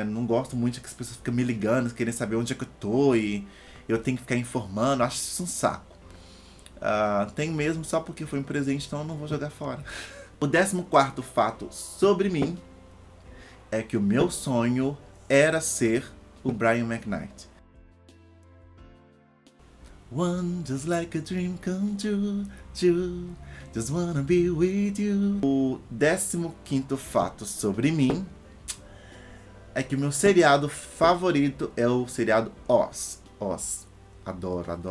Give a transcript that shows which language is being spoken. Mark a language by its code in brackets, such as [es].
[pt] Eu não gosto muito que as pessoas ficam me ligando, querendo saber onde é que eu tô e eu tenho que ficar informando. Acho isso um saco. Tenho mesmo só porque foi um presente, então eu não vou jogar fora. O 14º fato sobre mim é que o meu sonho era ser o Brian McKnight. [en] One just like a dream come true, just wanna be with you. [pt] O 15º fato sobre mim é que o meu seriado favorito é o seriado Oz. Adoro.